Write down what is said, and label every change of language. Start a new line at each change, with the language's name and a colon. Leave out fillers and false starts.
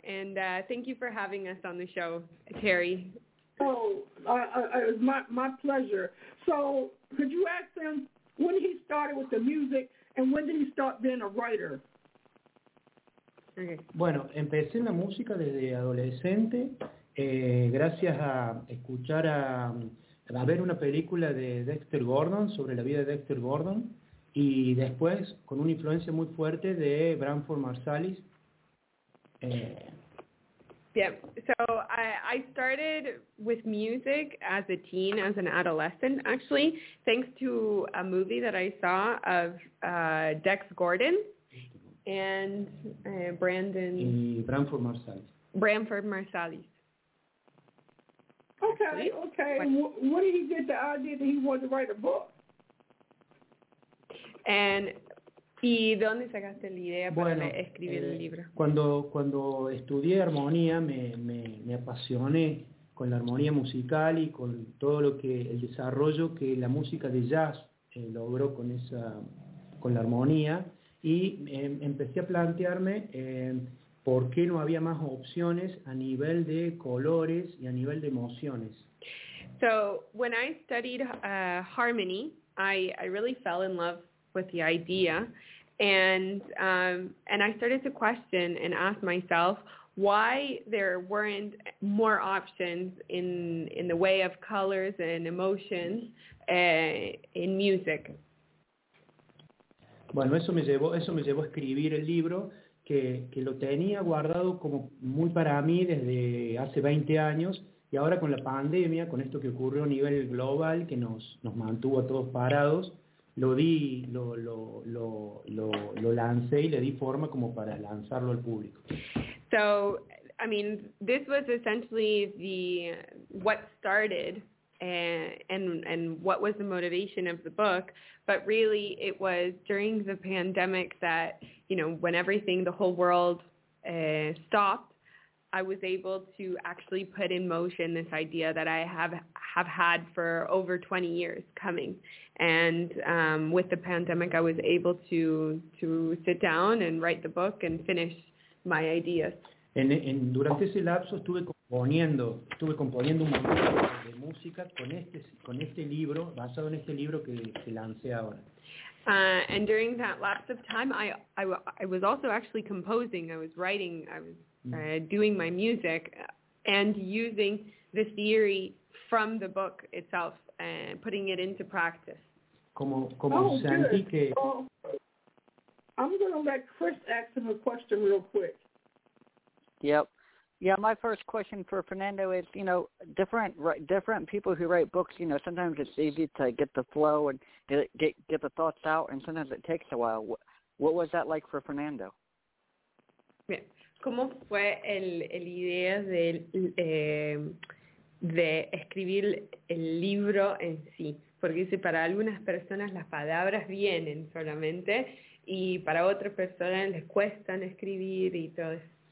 English: And thank you for having us on the show, Terry. Oh, it's my pleasure. So could you ask him when he started with the music and when did he start being a writer? Okay.
Spanish: Bueno, empecé en la música desde adolescente, gracias a escuchar a ver una película de Dexter Gordon, sobre la vida de Dexter Gordon, y después con una influencia muy fuerte de Branford Marsalis.
English: Yeah, so I started with music as a teen, as an adolescent, actually, thanks to a movie that I saw of Dex Gordon and Brandon...
Spanish: Y Branford Marsalis.
English: Branford Marsalis. Okay, okay. What did he get the idea that he wanted to write a book? And...
Spanish: ¿Y dónde sacaste la idea para escribir el libro? Cuando estudié armonía, me apasioné con la armonía musical y con todo lo que el desarrollo que la música de jazz logró con la armonía, y empecé a plantearme por qué no había más opciones a nivel de colores y a nivel de emociones.
English: So when I studied harmony, I really fell in love with the idea, and I started to question and ask myself why there weren't more options in the way of colors and emotions in music.
Spanish: Bueno, eso me llevó a escribir el libro que lo tenía guardado como muy para mí desde hace 20 años, y ahora con la pandemia, con esto que ocurrió a nivel global que nos mantuvo a todos parados, lo lancé y le di forma como para lanzarlo al público.
English: So, I mean, this was essentially the what started and what was the motivation of the book, but really it was during the pandemic that, you know, when everything, the whole world stopped, I was able to actually put in motion this idea that I have had for over 20 years coming. And with the pandemic, I was able to sit down and write the book and finish my ideas.
Spanish: Durante ese lapso estuve componiendo un montón de música con este libro, basado en este libro que lancé ahora.
English: And during that lapse of time, I was also actually composing. I was writing. I was doing my music and using the theory from the book itself and putting it into practice. I'm going to let Chris ask him a question real quick. Yep. Yeah, my first question for Fernando is, you know, different people who write books, you know, sometimes it's easy to get the flow and get the thoughts out, and sometimes it takes a while. What was that like for Fernando? Yeah.
Spanish: ¿Cómo fue el idea de escribir el libro en sí? Porque dice, para algunas personas las palabras vienen solamente y para otras personas les cuesta escribir y todo eso.